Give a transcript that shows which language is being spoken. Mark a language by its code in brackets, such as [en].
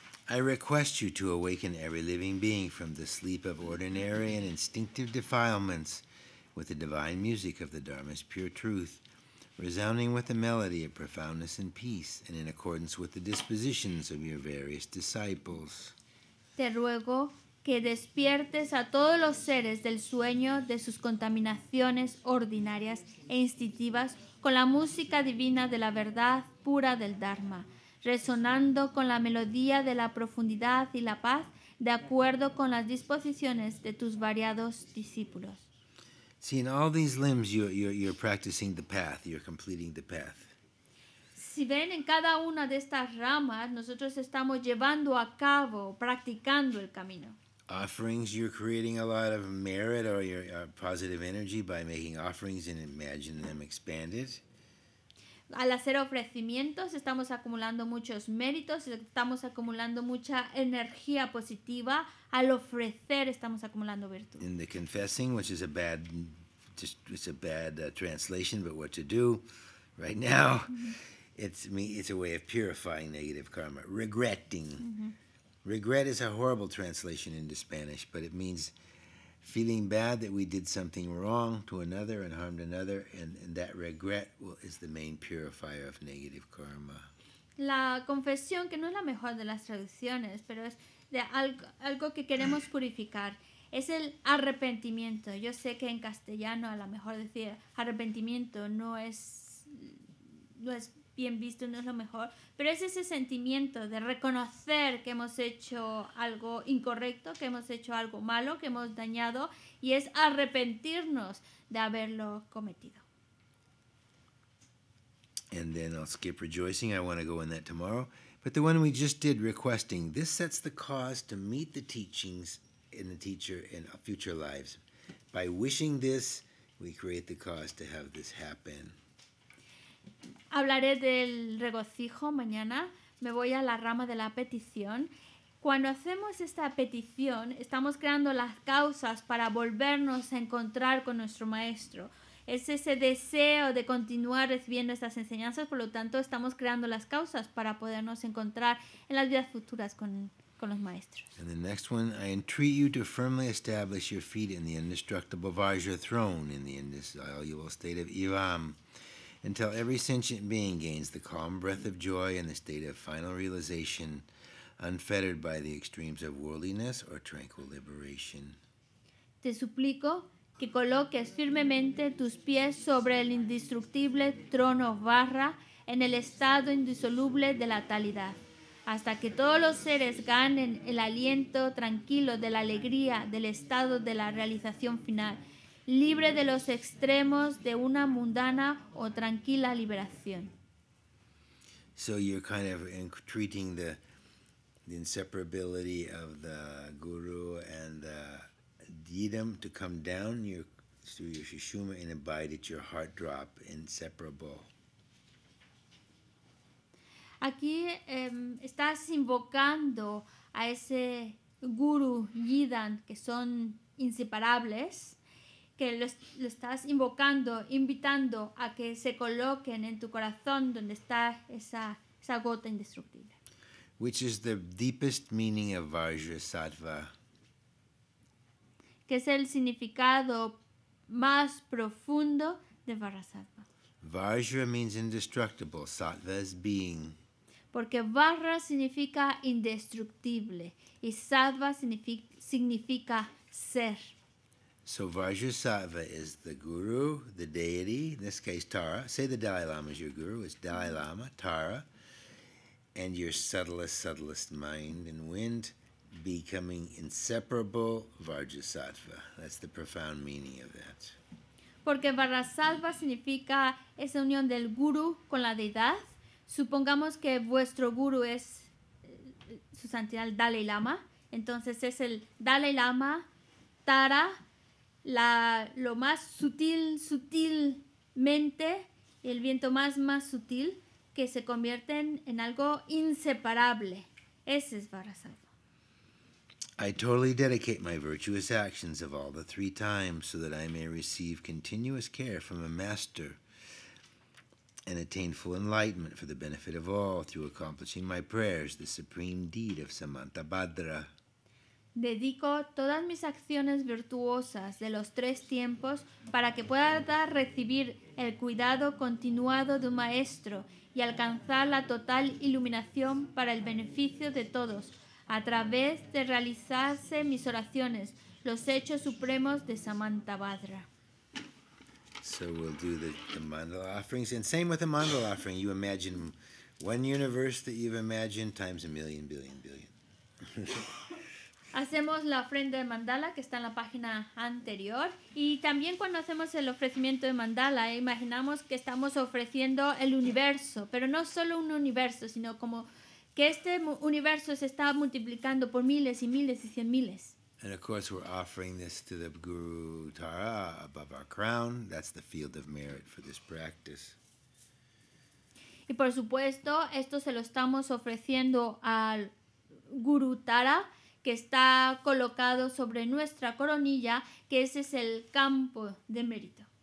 [en] I request you to awaken every living being from the sleep of ordinary and instinctive defilements with the divine music of the Dharma's pure truth, resounding with the melody of profoundness and peace, and in accordance with the dispositions of your various disciples. [es] Te ruego que despiertes a todos los seres del sueño de sus contaminaciones ordinarias e instintivas con la música divina de la verdad pura del Dharma, resonando con la melodía de la profundidad y la paz de acuerdo con las disposiciones de tus variados discípulos. [en] See, in all these limbs, you're practicing the path. You're completing the path. [es] si ven en cada una de estas ramas, nosotros estamos llevando a cabo, practicando el camino. [en] Offerings, you're creating a lot of merit or your positive energy by making offerings and imagining them expanded. [es] Al hacer ofrecimientos, estamos acumulando muchos méritos, estamos acumulando mucha energía positiva. Al ofrecer, estamos acumulando virtud. [en] In the confessing, which is a bad, just it's a bad translation, but what to do right now, it's a way of purifying negative karma. Regretting. Mm-hmm. Regret is a horrible translation into Spanish, but it means feeling bad that we did something wrong to another and harmed another, and that regret is the main purifier of negative karma. [es] La confesión, que no es la mejor de las traducciones, pero es de algo que queremos purificar, es el arrepentimiento. Yo sé que en castellano a lo mejor decir arrepentimiento no es bien visto, no es lo mejor, pero es ese sentimiento de reconocer que hemos hecho algo incorrecto, que hemos hecho algo malo, que hemos dañado, y es arrepentirnos de haberlo cometido. [en] And then I'll skip rejoicing. I want to go in that tomorrow. But the one we just did, requesting, this sets the cause to meet the teachings in the teacher in future lives. By wishing this, we create the cause to have this happen. [es] Hablaré del regocijo mañana. Me voy a la rama de la petición. Cuando hacemos esta petición, estamos creando las causas para volvernos a encontrar con nuestro maestro. Es ese deseo de continuar recibiendo estas enseñanzas, por lo tanto, estamos creando las causas para podernos encontrar en las vidas futuras con los maestros. [en] And the next one, I entreat you to firmly establish your feet in the indestructible Vajra throne in the indissoluble state of Ivam. Until every sentient being gains the calm breath of joy in the state of final realization, unfettered by the extremes of worldliness or tranquil liberation. [es] Te suplico que coloques firmemente tus pies sobre el indestructible trono Vajra en el estado indisoluble de la talidad, hasta que todos los seres ganen el aliento tranquilo de la alegría del estado de la realización final, libre de los extremos de una mundana o tranquila liberación. [en] So you're kind of treating the inseparability of the guru and the didam to come down through your shishuma and abide at your heart drop, inseparable. [es] Aquí estás invocando a ese guru yidan, que son inseparables, que lo estás invocando, invitando a que se coloquen en tu corazón donde está esa gota indestructible. [en] Which is the deepest meaning of Vajrasattva? [es] ¿Qué es el significado más profundo de Vajrasattva? [en] Vajra means indestructible, sattva is being. [es] Porque Vajra significa indestructible y sattva significa ser. [en] So Vajrasattva is the guru, the deity, in this case Tara. Say the Dalai Lama is your guru. It's Dalai Lama, Tara, and your subtlest mind and wind becoming inseparable Vajrasattva. That's the profound meaning of that. [es] Porque Vajrasattva significa esa unión del guru con la deidad. Supongamos que vuestro guru es su santidad, el Dalai Lama. Entonces es el Dalai Lama, Tara, lo más sutilmente, el viento más sutil, que se convierten en algo inseparable. Ese es Vajrasattva. [en] I totally dedicate my virtuous actions of all the three times so that I may receive continuous care from a master and attain full enlightenment for the benefit of all through accomplishing my prayers, the supreme deed of Samantabhadra. [es] Dedico todas mis acciones virtuosas de los tres tiempos para que pueda dar recibir el cuidado continuado de un maestro y alcanzar la total iluminación para el beneficio de todos a través de realizarse mis oraciones, los hechos supremos de Samantabhadra. [en] So we'll do the mandala offerings, and same with the mandala offering. You imagine one universe that you've imagined times a million, billion, billion. [es] Hacemos la ofrenda de mandala que está en la página anterior. Y también cuando hacemos el ofrecimiento de mandala, imaginamos que estamos ofreciendo el universo, pero no solo un universo, sino como que este universo se está multiplicando por miles y miles y cien miles. [en] And of course, we're offering this to the Guru Tara above our crown. That's the field of merit for this practice. [es] Y por supuesto, esto se lo estamos ofreciendo al Guru Tara, que está colocado sobre nuestra coronilla, que ese es el campo de mérito.